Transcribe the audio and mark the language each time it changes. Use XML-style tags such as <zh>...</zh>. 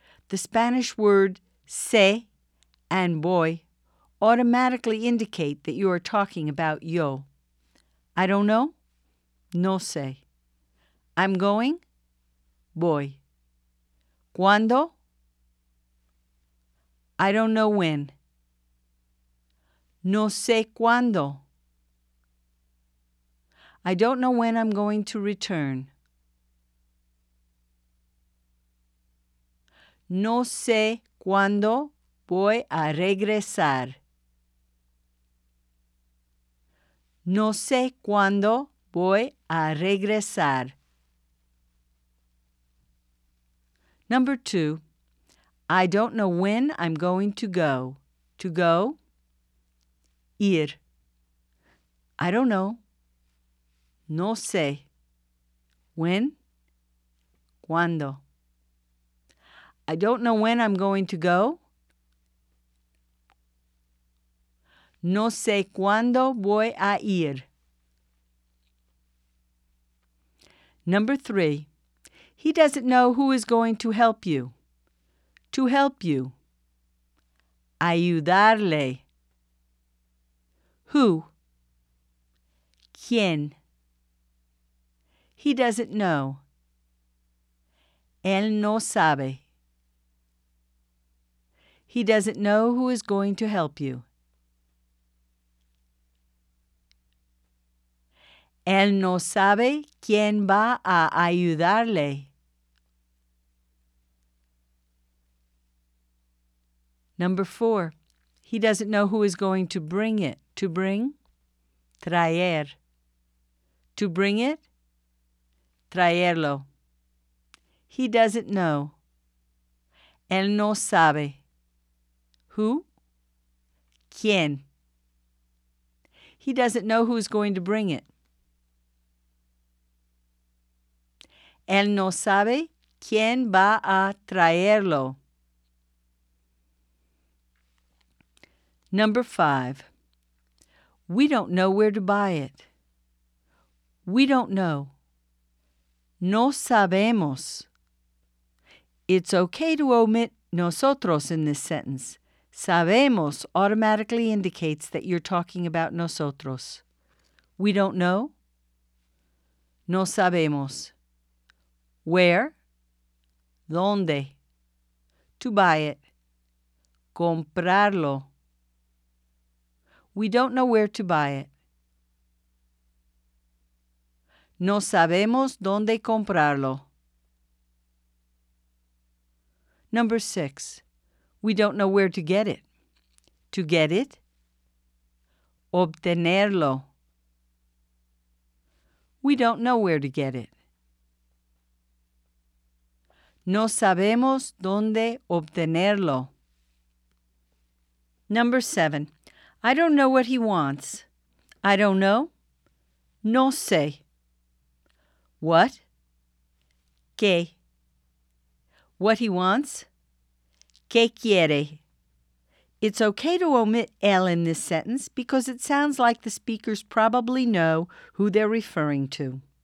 <en>The Spanish word sé and voy automatically indicate that you are talking about yo. I don't know.</en> <es>No sé.</es> <en>I'm going.</en> <es>Voy. ¿Cuándo?</es> <en>I don't know when.</en> <es>No sé cuándo.</es> <en>I don't know when I'm going to return.</en> <es>No sé cuándo voy a regresar. No sé cuándo voy a regresar.</es> <en>Number 2. I don't know when I'm going to go. To go?</en> <es>Ir.</es> <en>I don't know.</en> <es>No sé.</es> <en>When?</en> <es>Cuando.</es> <en>I don't know when I'm going to go.</en> <es>No sé cuándo voy a ir.</es> <en>Number 3. He doesn't know who is going to help you. To help you.</en> <es>Ayudarle.</es> <en>Who?</en> <es>¿Quién?</es> <en>He doesn't know.</en> <es>Él no sabe.</es> <en>He doesn't know who is going to help you.</en> <es>Él no sabe quién va a ayudarle.</es> <en>Number 4. He doesn't know who is going to bring it. To bring?</en> <es>Traer.</es> <en>To bring it?</en> <es>Traerlo.</es> <en>He doesn't know.</en> <es>Él no sabe.</es> <en>Who?</en> <es>¿Quién?</es> <en>He doesn't know who is going to bring it.</en> <es>Él no sabe quién va a traerlo.</es> <en>Number 5. We don't know where to buy it. We don't know.</en> <es>No sabemos.</es> <en>It's okay to omit nosotros in this sentence. Sabemos automatically indicates that you're talking about nosotros. We don't know.</en> <es>No sabemos.</es> <en>Where?</en> <es>¿Dónde?</es> <en>To buy it.</en> <es>Comprarlo.</es> <en>We don't know where to buy it.</en> <es>No sabemos dónde comprarlo.</es> <en>Number 6. We don't know where to get it. To get it?</en> <es>Obtenerlo.</es> <en>We don't know where to get it.</en> <es>No sabemos dónde obtenerlo.</es> <en>Number 7. I don't know what he wants. I don't know.</en> <es>No sé.</es> <en>What?</en> <es>¿Qué?</es> <en>What he wants?</en> <es>¿Qué quiere?</es> <en>It's okay to omit él in this sentence because it sounds like the speakers probably know who they're referring to.</en>